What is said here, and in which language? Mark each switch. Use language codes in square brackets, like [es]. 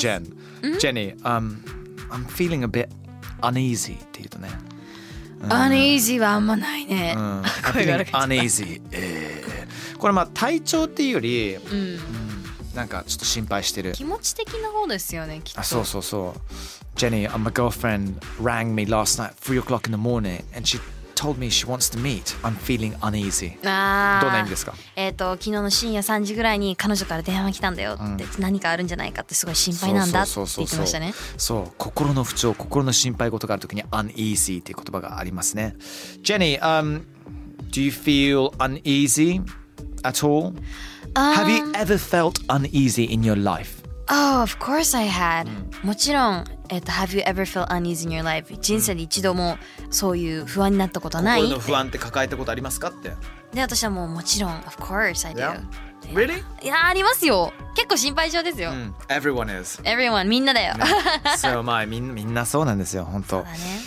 [ja] ジェン、ジェニー、 [en] I'm feeling a bit uneasy [ja] って言うとね。 uneasy はあんまないね。声が荒れちゃった。 uneasy、これまあ体調っていうより、なんかちょっと心配してる。気持ち的な方ですよね、きっと。あ、そうそうそう。 [en] ジェニー、my girlfriend rang me last night three o'clock in the morning and she told me she wants to meet. I'm feeling uneasy. [ja] あ、どんな意味ですか？昨日の深夜3時ぐらいに彼女から電話来たんだよって、うん、何かあるんじゃないかってすごい心配なんだって言ってましたね。そう、心の不調、心の心配事があるときに uneasy っていう言葉がありますね。 [en] ジェニー、do you feel uneasy at all? Have you ever felt uneasy in your life? Oh, of course I had.、 [ja] うん、もちろん。 [en] Have you ever felt uneasy in your life? [ja] 人生で一度もそういう不安になったことない？心の不安って抱えたことありますかって。で、私はもうもちろん、 [en] of course I do. Yeah. Really? [ja] いや、ありますよ。結構心配性ですよ。 [en] Everyone is. [ja] Everyone、みんなだよ。 [en] Yeah. [ja] So, まあ、みんなそうなんですよ、本当。そうだね。